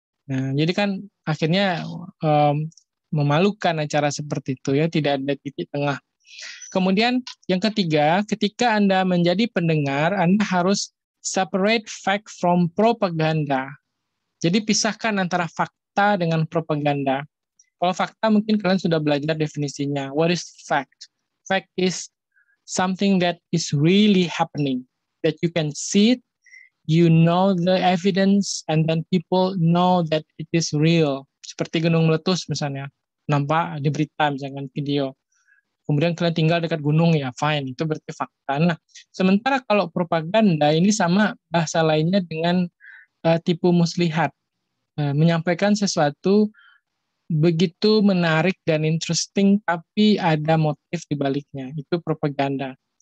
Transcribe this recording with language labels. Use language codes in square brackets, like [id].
[id] Nah, jadi kan akhirnya memalukan acara seperti itu, ya, tidak ada titik tengah. Kemudian yang ketiga, ketika Anda menjadi pendengar, Anda harus [en] separate fact from propaganda. [id] Jadi pisahkan antara fakta dengan propaganda. Kalau fakta mungkin kalian sudah belajar definisinya. [en] What is fact? Fact is something that is really happening, that you can see it, you know the evidence, and then people know that it is real. [id] Seperti gunung meletus misalnya, nampak di berita misalnya, video. Kemudian kalian tinggal dekat gunung, ya [en] fine, [id] itu berarti fakta. Nah, sementara kalau propaganda ini sama bahasa lainnya dengan tipu muslihat. Menyampaikan sesuatu begitu menarik dan [en] interesting, [id] tapi ada motif di baliknya, itu propaganda.